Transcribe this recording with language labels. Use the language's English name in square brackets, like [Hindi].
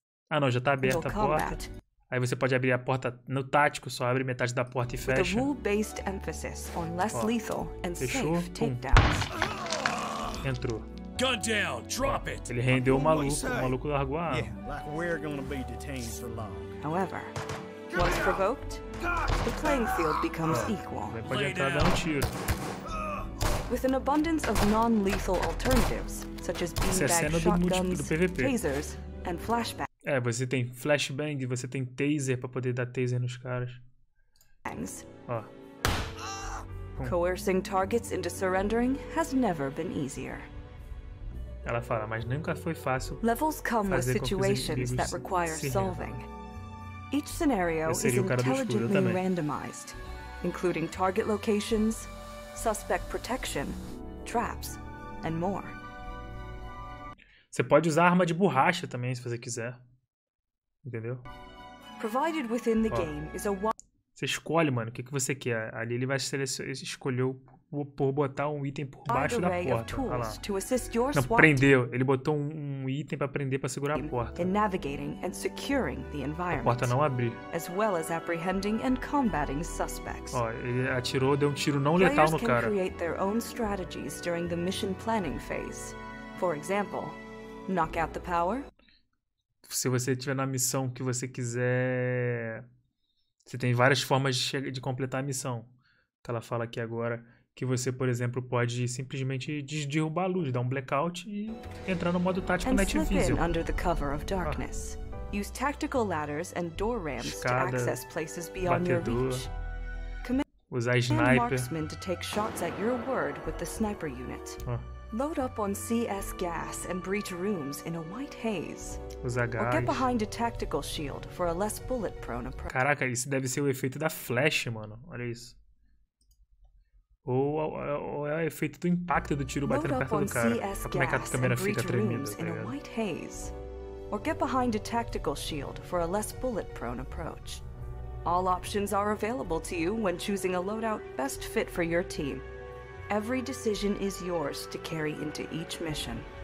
[Portuguese] Ah não, já tá aberta a porta. Aí você pode abrir a porta no tático, só abre metade da porta e fecha. [English] With a rule-based emphasis on less lethal and safe takedowns. [Portuguese] Entrou. [English] Gun down, drop it. [Portuguese] Ele rendeu o maluco largou a arma. [English] Yeah, like we're gonna be detained for long. However, once provoked, the playing field becomes equal. [Portuguese] Ele pode entrar dando um tiro. [English] With an abundance of non-lethal alternatives, such as beanbag shotguns, tasers, and flashbacks. [Portuguese] É, você tem flashbang, você tem taser pra poder dar taser nos caras. Ó. [English] Coercing targets into surrendering has never been easier. [Portuguese] Ela fala, mas nunca foi fácil. [English] Levels come with situations that require solving. Each scenario is intelligently randomized, including target locations, suspect protection, traps, and more. [Portuguese] Você pode usar arma de borracha também, se você quiser. Entendeu? [English] Provided within the game is a [Portuguese] você escolhe, mano, o que você quer. Ali ele vai escolheu por botar um item por baixo da porta. Lá. Não, prendeu. Ele botou um item pra prender pra segurar a porta. [English] In navigating and securing the environment, [Portuguese] a porta não abrir. [English] As well as apprehending and combating suspects. [Portuguese] Ó, ele atirou, deu um tiro não letal no cara. [English] Create their own strategies during the mission planning phase. For example, knock out the power. [Portuguese] Se você estiver na missão que você quiser, você tem várias formas de completar a missão. Que ela fala aqui agora. Que você, por exemplo, pode simplesmente derrubar a luz, dar um blackout e entrar no modo tático Night Vision. [English] And slip in under the cover of darkness. Use tactical ladders and door ramps to access places beyond your reach. [Portuguese] Usar sniper. [English] Marksmen to take shots at your word with the sniper unit. Load up on CS gas and breach rooms in a white haze. [Portuguese] Usar gás. [English] Or get behind a tactical shield for a less bullet prone approach. [Portuguese] Caraca, isso deve ser o efeito da flash, mano. Olha isso. Ou é o efeito do impacto do tiro batendo perto do cara. Olha como é que a câmera fica tremendo, tá ligado? [English] Or get behind a tactical shield for a less bullet prone approach. All options are available to you when choosing a loadout best fit for your team. Every decision is yours to carry into each mission.